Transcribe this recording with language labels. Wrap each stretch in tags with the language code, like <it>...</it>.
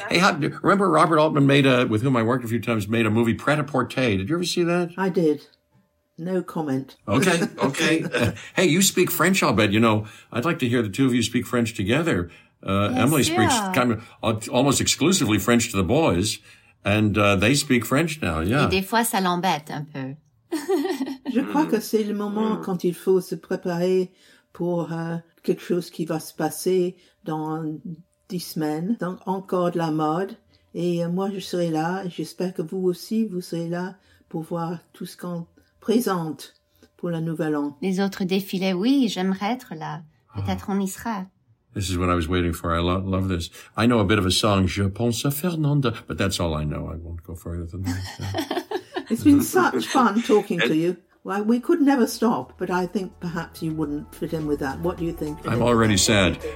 <en>Hey, remember Robert Altman with whom I worked a few times, made a movie, Prêt-à-Porter. Did you ever see that? I did. No comment. Okay. Hey, you speak French, I'll bet. You know, I'd like to hear the two of you speak French together. Emily speaks kind of almost exclusively French to the boys, and they speak French now, yeah.</en> <fr>Et des fois, ça l'embête un peu. Je crois que c'est le moment quand il faut se préparer pour quelque chose qui va se passer dans 10 semaines. Donc, encore de la mode. Et moi, je serai là. J'espère que vous aussi, vous serez là pour voir tout ce qu'on présente pour la nouvelle année. Les autres défilés, oui, j'aimerais être là. Peut-être on y sera.</fr> <en>This is what I was waiting for. I love this. I know a bit of a song,</en> <fr>Je pense à Fernanda,</fr> <en>but that's all I know. I won't go further than that. It's been such fun talking to you. Well, we could never stop, but I think perhaps you wouldn't fit in with that. What do you think? I'm already sad.</en>